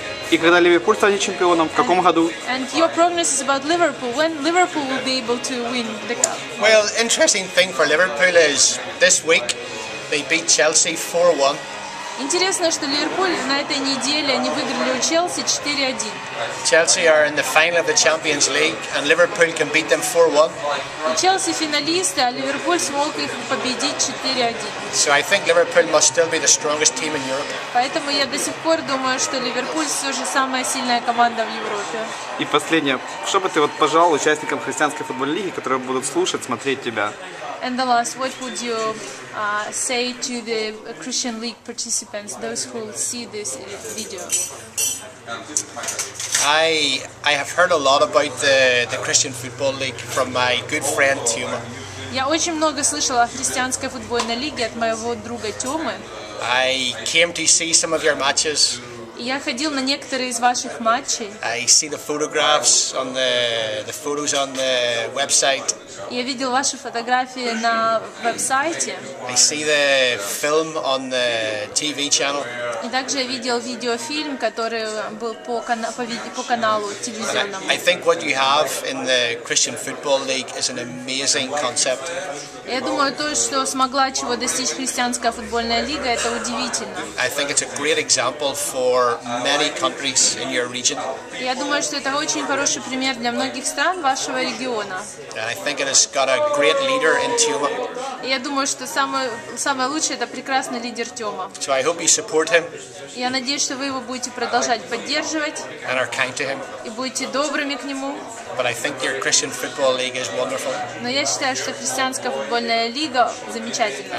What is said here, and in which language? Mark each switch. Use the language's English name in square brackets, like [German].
[Russian] И когда Ливерпуль станет чемпионом, в каком году? [English] And your prognosis about Liverpool, when Liverpool will be able to win the cup? Well, interesting thing for Liverpool is this week they beat Chelsea 4-1. [Russian] Интересно, что Ливерпуль на этой неделе они выиграли у Челси 4-1. [English] Челси are in the final of the Champions League, and Liverpool can beat them 4-1. [Russian] И Челси финалисты, а Ливерпуль смог их победить 4-1. [English] So I think Liverpool must still be the strongest team in Europe. [Russian] Поэтому я до сих пор думаю, что Ливерпуль все же самая сильная команда в Европе. И последнее, что бы ты вот пожелал участникам христианской футбольной лиги, которые будут слушать, смотреть тебя? [English] And the last, what would you say to the Christian League participants, those who see this video? I have heard a lot about the Christian Football League from my good friend Tuma. [Russian] Я очень много слышала о христианской футбольной лиге от моего друга Тёмы. [English] I came to see some of your matches. [Russian] Я ходил на некоторые из ваших матчей. [English] I see the photographs on the photos on the website. [Russian] Я видел ваши фотографии на веб-сайте. [English] I see the film on the TV channel. [Russian] И также я видел видеофильм, который был по каналу телевизионному. [English] I think what you have in the Christian Football League is an amazing concept. [Russian] Я думаю, то, что смогла чего достичь христианская футбольная лига, это удивительно. [English] I think it's a great example for many countries in your region. [Russian] Я думаю, что это очень хороший пример для многих стран вашего региона. [English] Has got a great leader in Tuma. [Russian] Я думаю, что самое лучшее это прекрасный лидер Тёма. [English] So I hope you support him. [Russian] Я надеюсь, что вы его будете продолжать поддерживать. [English] And are kind to him. [Russian] И будете добрыми к нему. [English] But I think your Christian Football League is wonderful. [Russian] Но я считаю, что христианская футбольная лига замечательная.